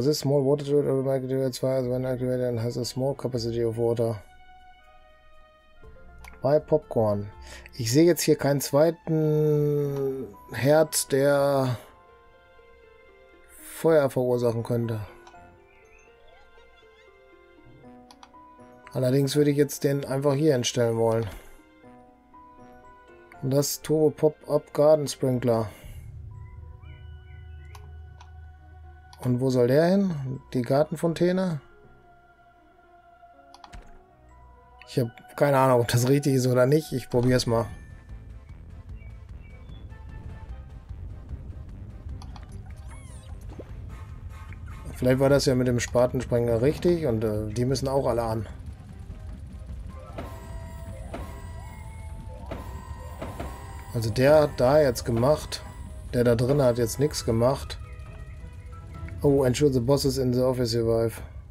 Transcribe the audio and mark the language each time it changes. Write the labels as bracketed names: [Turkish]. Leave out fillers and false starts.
[English] This small water turret automatically fires when activated and has a small capacity of water. [German] Bei Popcorn. Ich sehe jetzt hier keinen zweiten Herd, der Feuer verursachen könnte. Allerdings würde ich jetzt den einfach hier hinstellen wollen. Und das Turbo Pop-Up Garden Sprinkler. Und wo soll der hin? Die Gartenfontäne? Ich habe keine Ahnung, ob das richtig ist oder nicht. Ich probiere es mal. Vielleicht war das ja mit dem Spatensprenger richtig und die müssen auch alle an. Also der hat da jetzt gemacht, der da drin hat jetzt nichts gemacht. [English] Oh, ensure the bosses in the office survive.